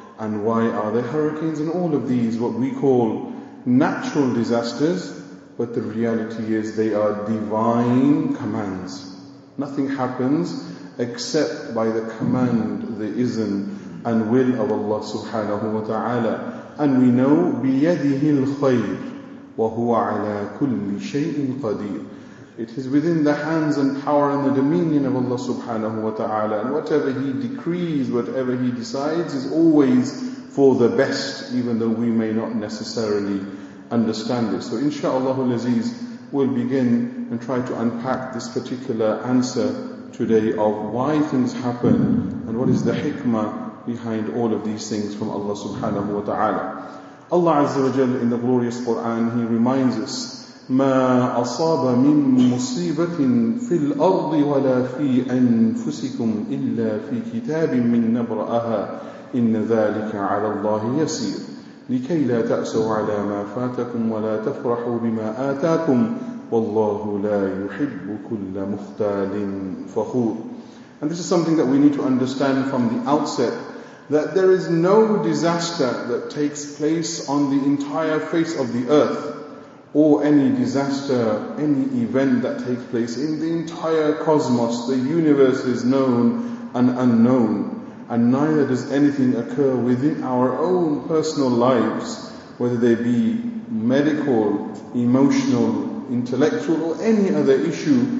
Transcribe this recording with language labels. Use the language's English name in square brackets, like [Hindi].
[English] And why are there hurricanes and all of these what we call natural disasters? But the reality is they are divine commands. Nothing happens except by the command, the izn and will of Allah subhanahu wa ta'ala. And we know, [Arabic] بِيَدِهِ الْخَيْرِ وَهُوَ عَلَى كُلِّ شَيْءٍ قَدِيرٍ. [English] It is within the hands and power and the dominion of Allah subhanahu wa ta'ala. And whatever He decrees, whatever He decides is always for the best, even though we may not necessarily understand it. So inshaAllah al-Aziz, we'll begin and try to unpack this particular answer today of why things happen and what is the hikmah behind all of these things from Allah subhanahu wa ta'ala. [Arabic] Allah azza wa jal in the glorious Qur'an, He reminds us, مَا أَصَابَ مِن مُصِيبَةٍ فِي الْأَرْضِ وَلَا فِي أَنفُسِكُمْ إِلَّا فِي كِتَابٍ مِّن نَبْرَأَهَا إِنَّ ذَلِكَ عَلَى اللَّهِ يَسِيرٌ لِكَيْ لَا تَأْسَوْا عَلَى مَا فَاتَكُمْ وَلَا تَفْرَحُوا بِمَا آتَاكُمْ وَاللَّهُ لَا يُحِبُّ كُلَّ مُخْتَالٍ فَخُورٍ. [English] And this is something that we need to understand from the outset, that there is no disaster that takes place on the entire face of the earth, or any disaster, any event that takes place in the entire cosmos, the universe is known and unknown, and neither does anything occur within our own personal lives, whether they be medical, emotional, intellectual, or any other issue.